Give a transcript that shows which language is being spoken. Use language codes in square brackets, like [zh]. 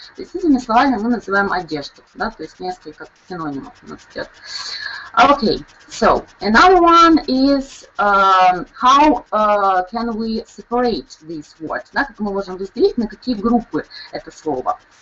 [ru] Действительно, словами мы называем одежду, да, то есть несколько синонимов у нас идет. [en] Okay, so another one is how can we separate these words? [ru] Да, как мы можем разделить на какие группы это слово?